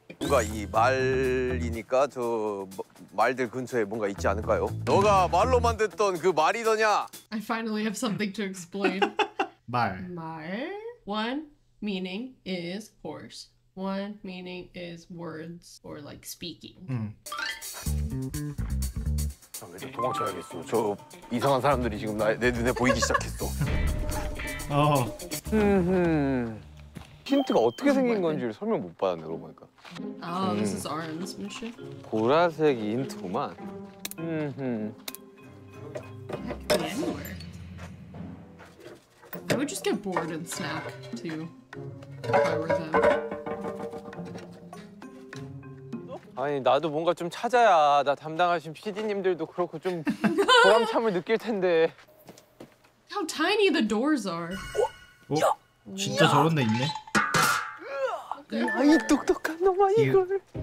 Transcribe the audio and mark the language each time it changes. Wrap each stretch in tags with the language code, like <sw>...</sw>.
<ko>누가 이 말이니까 저 말들 근처에 뭔가 있지 않을까요? 너가 말로 만든 그 말이더냐?</ko> <en>I finally have something to explain.</en> <ko>말.</ko> <en>말. One meaning is horse. One meaning is words or like speaking.</en> <ko>이제 도망쳐야겠어. 저 이상한 사람들이 지금 내 눈에 보이기 시작했어. 어. 힌트가 어떻게 생긴 건지 설명 못 받았네, 그러고 보니까.</ko> <en>아, this is Arun's mission.</en> <ko>보라색 힌트구만.</ko> <en>I would just get bored and snack too if I were them.</en> <ko>아니 나도 뭔가 좀 찾아야 나 담당하신 PD님들도 그렇고 좀 보람참을 느낄 텐데.</ko> <en>How tiny the doors are.</en> <ko>어? 진짜 저런 데 있네. 아 이 똑똑한 놈아 이걸.</ko>